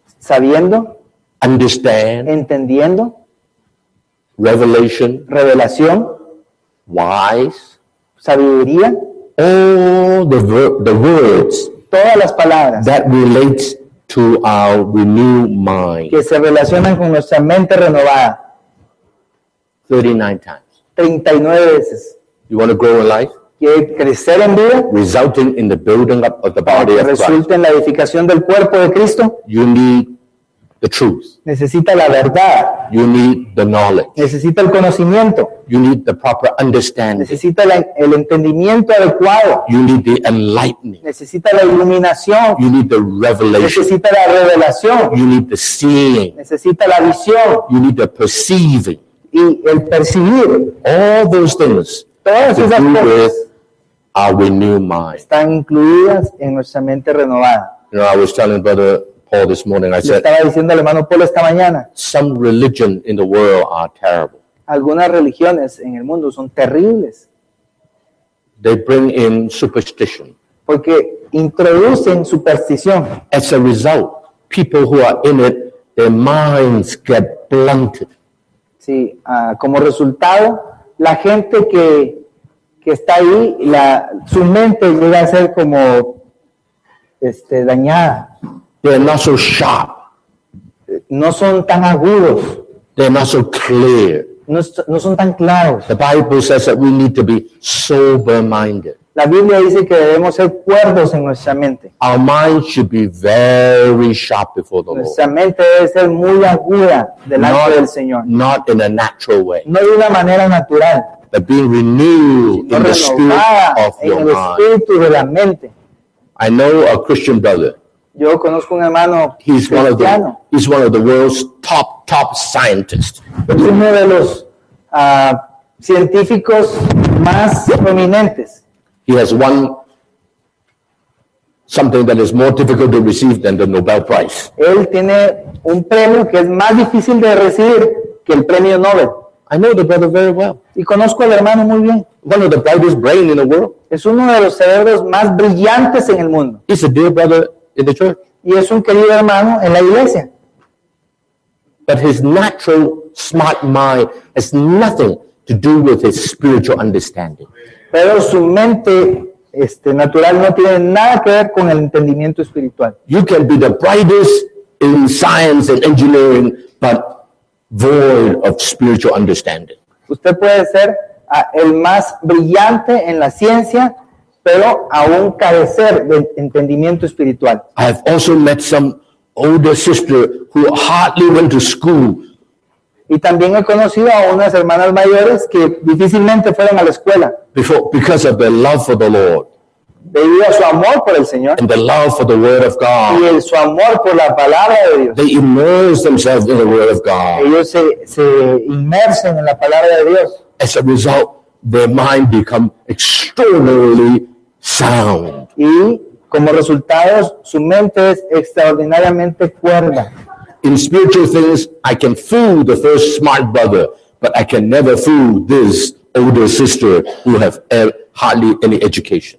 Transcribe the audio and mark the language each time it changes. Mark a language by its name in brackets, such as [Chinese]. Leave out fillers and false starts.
[Spanish] Sabiendo. [English] Understand. [Spanish] Entendiendo. [English] Revelation. [Spanish] Revelación. [English] Wise. [Spanish] Sabiduría. [English] All the words. [Spanish] Todas las palabras. [English] That relates to our renewed mind. [Spanish] Que se relacionan con nuestra mente renovada. [English] 39 times. [Spanish] 39 veces. [English] You want to grow in life? [Spanish] ¿Quieres crecer en vida? [English] Resulting in the building up of the body of Christ. [Spanish] Resulta en la edificación del cuerpo de Cristo. [English] You need the truth. [Spanish] Necesita la verdad. [English] You need the knowledge. [Spanish] Necesita el conocimiento. [English] You need the proper understanding. [Spanish] Necesita el entendimiento adecuado. [English] You need the enlightening. [Spanish] Necesita la iluminación. [English] You need the revelation. [Spanish] Necesita la revelación. [English] You need the seeing. [Spanish] Necesita la visión. [English] You need the perceiving. [Spanish] Y el percibir. [English] All those things. [Spanish] Todas esas cosas. [English] Our renewed mind. [Spanish] Están incluidas en nuestra mente renovada. [English] You know, I was telling Brother Paul this morning. I said. [Spanish] Estaba diciendo al hermano Paul esta mañana. [English] Some religion in the world are terrible. [Spanish] Algunas religiones en el mundo son terribles. [English] They bring in superstition. [Spanish] Porque introducen superstición. [English] As a result, people who are in it, their minds get blunted. [Spanish] Sí, como resultado, la gente que está ahí, su mente llega a ser como dañada. [English] They're not so sharp. [Spanish] No son tan agudos. [English] They're not so clear. [Spanish] No son tan claros. [English] The Bible says that we need to be sober-minded. [Spanish] La Biblia dice que debemos ser cuerdos en nuestra mente. [English] Our mind should be very sharp before the [Spanish] nuestra [English] Lord. [Spanish] Nuestra mente debe ser muy aguda delante [English] not, [Spanish] del Señor. [English] Not in a natural way. [Spanish] No de una manera natural. [English] But being renewed [Spanish] sino [English] in the spirit of your mind. [Spanish] En el espíritu de la mente. [English] I know a Christian brother. [Spanish] Yo conozco un hermano [English] he's one of the world's top scientists. [Spanish] Es uno de los científicos más prominentes. [English] He has won something that is more difficult to receive than the Nobel Prize. [Spanish] Él tiene un premio que es más difícil de recibir que el premio Nobel. [English] I know the brother very well. [Spanish] Y conozco al hermano muy bien. [English] One of the brightest brains in the world. [Spanish] Es uno de los cerebros más brillantes en el mundo. [English] He's a dear brother. In the church. [Spanish] Y es un querido hermano en la iglesia. [English] But his natural smart mind has nothing to do with his spiritual understanding. [Spanish] Pero su mente natural no tiene nada que ver con el entendimiento espiritual. [English] You can be the brightest in science and engineering, but void of spiritual understanding. [Spanish] Usted puede ser el más brillante en la ciencia, pero aún carecer de entendimiento espiritual. [English] I have also met some older sister who hardly went to school. [Spanish] Y también he conocido a unas hermanas mayores que difícilmente fueron a la escuela. [English] Before, because of their love for the Lord. [Spanish] Debido a su amor por el Señor. [English] And their love for the Word of God. [Spanish] Y su amor por la palabra de Dios. [English] They immerse themselves in the Word of God. [Spanish] Ellos se inmersen en la palabra de Dios. [English] As a result, their mind become extraordinarily sound. [Spanish] Y como resultado, su mente es extraordinariamente cuerda. [English] In spiritual things, I can fool the first smart brother, but I can never fool this older sister who have hardly any education.